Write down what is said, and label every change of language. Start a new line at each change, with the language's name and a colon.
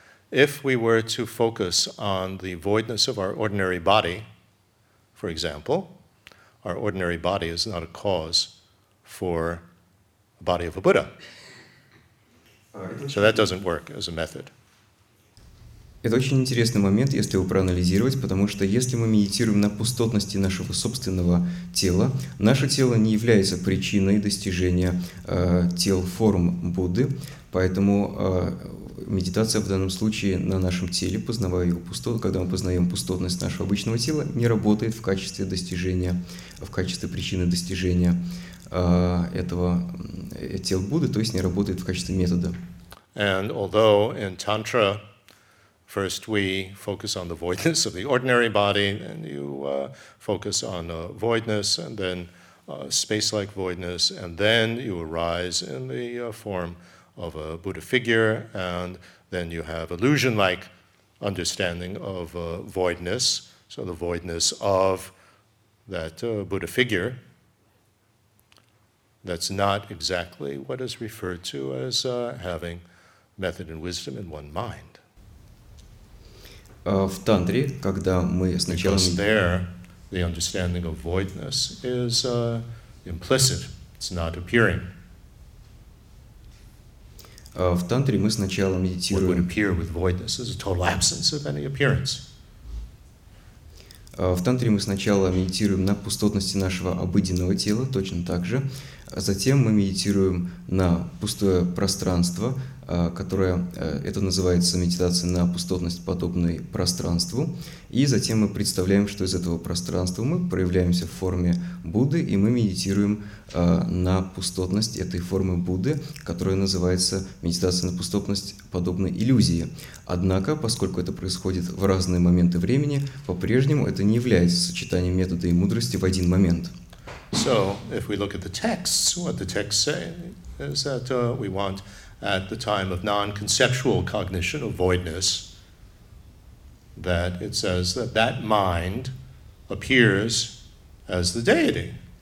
English: If we were to focus on the voidness of our ordinary body, for example, our ordinary body is not a cause for a body of a Buddha. So that doesn't work as a method.
Russian: Это очень интересный момент, если его проанализировать, потому что если мы медитируем на пустотности нашего собственного тела, наше тело не является причиной достижения тел форм Будды, поэтому медитация в данном случае на нашем теле, познавая его пустоту, когда мы познаем пустотность нашего обычного тела, не работает в качестве достижения, в качестве причины достижения этого тел Будды, то есть не работает в качестве метода.
English: And although in Tantra first we focus on the voidness of the ordinary body, and you focus on voidness, and then space-like voidness, and then you arise in the form of a Buddha figure, and then you have illusion-like understanding of voidness, so the voidness of that Buddha figure. That's not exactly what is referred to as having method and wisdom in one mind.
Russian: В тантре, когда мы сначала...
English: Because there, the understanding of voidness is implicit, it's not appearing.
Russian: В тантре мы сначала медитируем...
English: What would appear with voidness is a total absence of any appearance.
Russian: В тантре мы сначала медитируем на пустотности нашего обыденного тела, точно так же. Затем мы медитируем на пустое пространство, которое, это называется медитация на пустотность, подобной пространству. И затем мы представляем, что из этого пространства мы проявляемся в форме Будды, и мы медитируем на пустотность этой формы Будды, которая называется медитация на пустотность, подобной иллюзии. Однако, поскольку это происходит в разные моменты времени, по-прежнему это не является сочетанием метода и мудрости в один момент.
English: So, if we look at the texts, what the texts say is that we want at the time of non-conceptual cognition of voidness, that it says that that mind appears as the deity.